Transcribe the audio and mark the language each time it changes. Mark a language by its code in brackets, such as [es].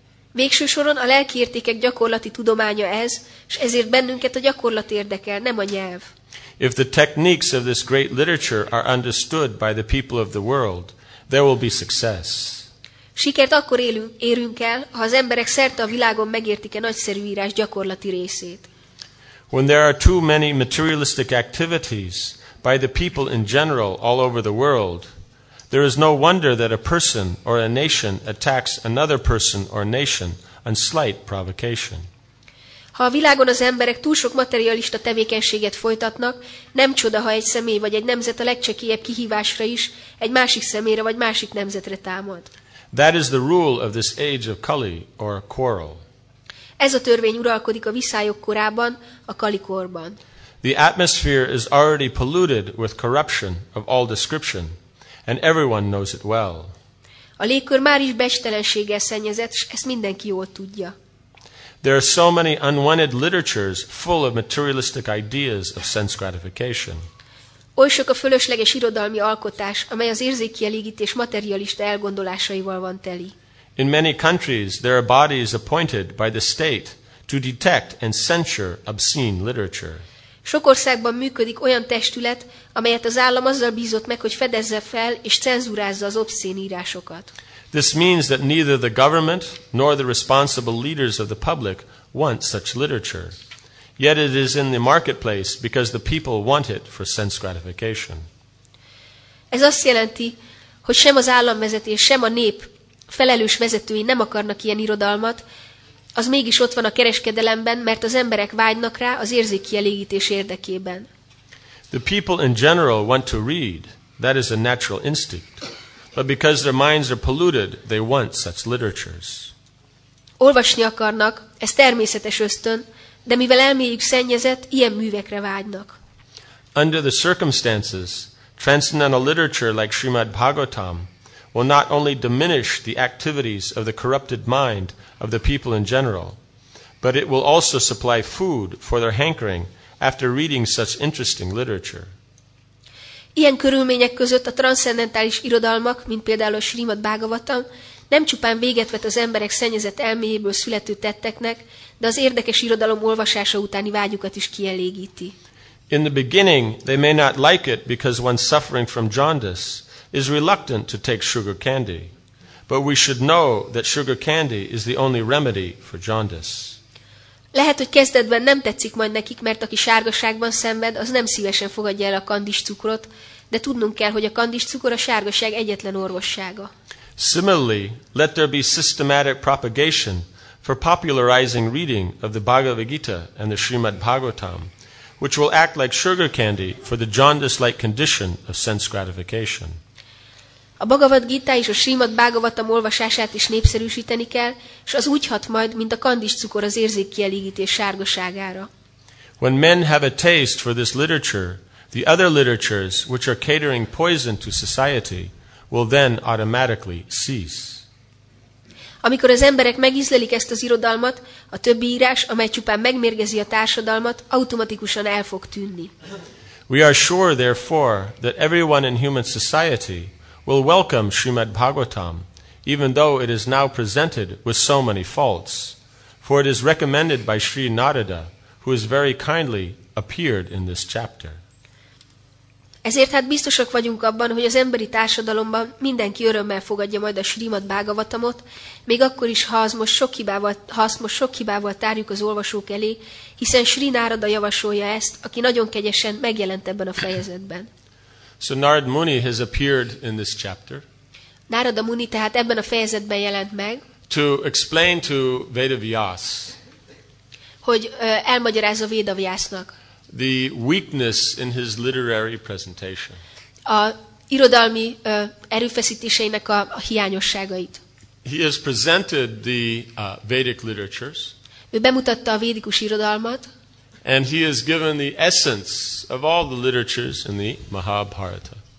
[hu] Végső soron a lelki értékek gyakorlati tudománya ez, és ezért bennünket a gyakorlat érdekel, nem a nyelv. [en] If the techniques of this great literature are understood by the people of the world, there will be success. [hu] Sikert akkor érünk el, ha az emberek szerte a világon megértik a nagyszerű írás gyakorlati részét. [en] When there are too many materialistic activities by the people in general all over the world, there is no wonder that a person or a nation attacks another person or nation on slight provocation. [hu] Ha a világon az emberek túl sok materialista tevékenységet folytatnak, nem csoda, ha egy személy vagy egy nemzet a legcsekélyebb kihívásra is egy másik személyre vagy másik nemzetre támad. [en] That is the rule of this age of Kali or quarrel. [hu] Ez a törvény uralkodik a viszályok korában, a Kali korban. [en] The atmosphere is already polluted with corruption of all description. And everyone knows it well. [hu] A légkör már is becstelenséggel szennyezett, és ezt mindenki jól tudja. [en] There are so many unwanted literatures full of materialistic ideas of sense gratification. [hu] Oly sok a fölösleges irodalmi alkotás, amely az érzékkielégítés materialista elgondolásaival van teli. [en] In many countries, there are bodies appointed by the state to detect and censure obscene literature. [hu] Sok országban működik olyan testület, amelyet az állam azzal bízott meg, hogy fedezze fel és cenzúrázza az obszén írásokat. [en] This means that neither the government nor the responsible leaders of the public want such literature. Yet it is in the marketplace because the people want it for sense gratification. [hu] Ez azt jelenti, hogy sem az államvezetés, sem a nép felelős vezetői nem akarnak ilyen irodalmat, az mégis ott van a kereskedelemben, mert az emberek vágynak rá az érzékkielégítés érdekében. [en] The people in general want to read. That is a natural instinct. But because their minds are polluted, they want such literatures. [hu] Olvasni akarnak, ez természetes ösztön, de mivel elméjük szennyezett, ilyen művekre vágynak. [en] Under the circumstances, transcendental literature like Srimad Bhagavatam will not only diminish the activities of the corrupted mind of the people in general, but it will also supply food for their hankering after reading such interesting literature. [hu] Ilyen körülmények között a transzcendentális irodalmak, mint például a Srimad Bhagavatam, nem csupán véget vet az emberek szennyezett elméjéből születő tetteknek, de az érdekes irodalom olvasása utáni vágyukat is kielégíti. [en] In the beginning, they may not like it because one suffering from jaundice is reluctant to take sugar candy. But we should know that sugar candy is the only remedy for jaundice. [hu] Lehet, hogy kezdetben nem tetszik majd nekik, mert aki sárgaságban szenved, az nem szívesen fogadja el a kandis cukrot, de tudnunk kell, hogy a kandis cukor a sárgaság egyetlen orvossága. [en] Similarly, let there be systematic propagation for popularizing reading of the Bhagavad Gita and the Srimad Bhagavatam, which will act like sugar candy for the jaundice-like condition of sense gratification. [hu] A Bhagavad Gita és a Srimad Bhagavatam olvasását is népszerűsíteni kell, és az úgy hat majd, mint a kandis cukor az érzékkielégítés sárgaságára. [en] When men have a taste for this literature, the other literatures which are catering poison to society will then automatically cease. [hu] Amikor az emberek megízlelik ezt az irodalmat, a többi írás, amely csupán megmérgezi a társadalmat, automatikusan el fog tűnni. [en] We are sure, therefore, that everyone in human society will welcome Srimad Bhagavatam, even though it is now presented with so many faults, for it is recommended by Sri Narada, who has very kindly appeared in this chapter. [hu] Ezért hát biztosak vagyunk abban, hogy az emberi társadalomban mindenki örömmel fogadja majd a Srimad Bhagavatamot, még akkor is, ha azt most sok hibával tárjuk az olvasók elé, hiszen Sri Narada javasolja ezt, aki nagyon kegyesen megjelent ebben a fejezetben. [en] So Narad Muni has appeared in this chapter. [hu] Narada Muni tehát ebben a fejezetben jelent meg. [en] To explain to Vedavyas. [hu] Hogy elmagyarázza Vedavyasnak. [en] The weakness in his literary presentation. [hu] A irodalmi erőfeszítéseinek a hiányosságait. [en] He has presented the Vedic literatures. [hu] Ő bemutatta a védikus irodalmat. [en] And he has given the essence of all the literatures in the Mahabharata.